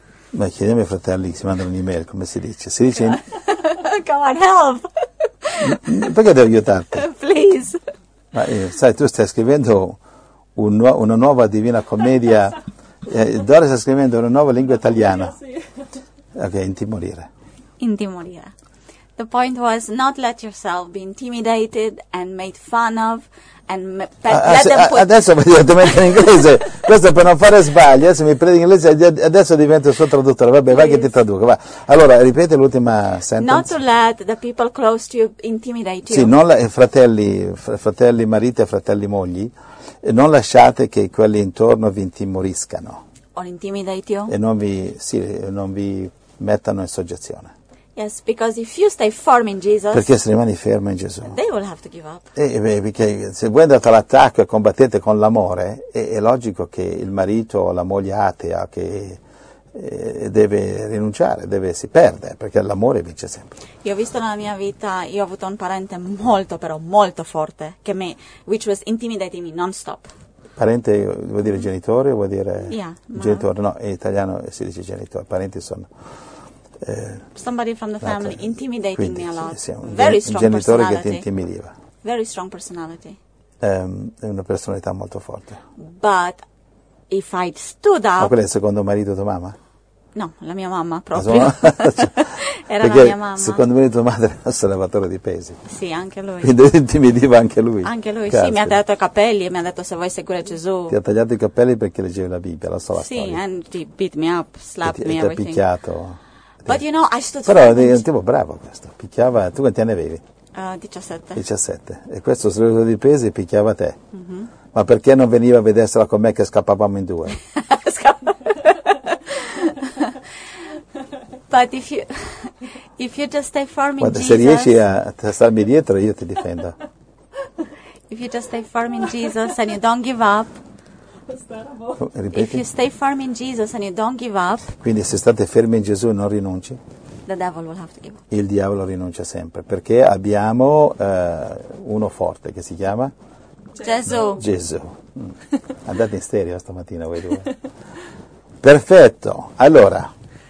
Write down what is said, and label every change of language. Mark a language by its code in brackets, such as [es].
[it] Ma chiediamo ai fratelli che si mandano un'email, come si dice? Si dice... [en] Come on, help! [it] Perché devo aiutarti? Ma sai, tu stai scrivendo una nuova Divina Commedia, Dora sta scrivendo una nuova lingua italiana. Sì. Ok, intimorire. Intimorire. [en] The point was not let yourself be intimidated and made fun of and [it] adesso mi devo mettere in inglese. Questo per non fare sbagli, se mi prendi in inglese adesso divento il suo traduttore. Vabbè, please. Vai che ti traduco, va. Allora, ripete l'ultima sentence. [en] Not to let the people close to you intimidate you. [it] Sì, non la, fratelli, marito e fratelli mogli, non lasciate che quelli intorno vi intimoriscano. [en] O intimidate you. [it] E non vi mettano in soggezione. [en] Yes, because if you stay firm in Jesus, [it] perché se rimani fermo in Gesù, [en] they will have to give up. [it] Perché se voi andate all'attacco e combattete con l'amore, è logico che il marito o la moglie atea che deve rinunciare, deve si perde, perché l'amore vince sempre. Io ho visto nella mia vita, io ho avuto un parente molto, però molto forte, che me, [en] which was intimidating me non-stop. [it] Parente vuol dire genitore, vuol dire genitore, no, in italiano si dice genitore, parenti sono... [en] somebody from the family intimidating me a lot. [it] Sì, un [en] very strong [it] genitore [en] personality. [it] Che ti intimidiva. [en] Very strong personality. [it] È una personalità molto forte. [en] But if I stood up. [it] Ma quello è il secondo marito tua mamma? No, la mia mamma proprio. Sua mamma? Era la mia mamma. Secondo marito tua madre era un sollevatore di pesi. Sì, anche lui. Quindi intimidiva anche lui. Anche lui, caspita. Sì, mi ha tagliato i capelli e mi ha detto se vuoi seguire Gesù. Ti ha tagliato i capelli perché leggevi la Bibbia, la sola sì, storia. [en] Sì, and he beat me up, slapped me everything. [it] Ti ha picchiato. [en] But you know, I stood [it] però è un tipo bravo questo, picchiava, tu quanti anni avevi? 17 e questo sollevatore di pesi picchiava te. Ma perché non veniva a vedersela con me che scappavamo in due? [en] But if you just stay firm in [it] guarda, [en] Jesus, [it] se riesci a starmi dietro io ti difendo. [en] If you just stay firm in Jesus and you don't give up. [it] Ripeti. [en] If you stay firm in Jesus and you don't give up. [it] Quindi se state fermi in Gesù non rinunci. [en] The devil will have to give up. [it] Il diavolo rinuncia sempre perché abbiamo uno forte che si chiama Gesù. Gesù. Andate in stereo stamattina voi due. Perfetto. Allora.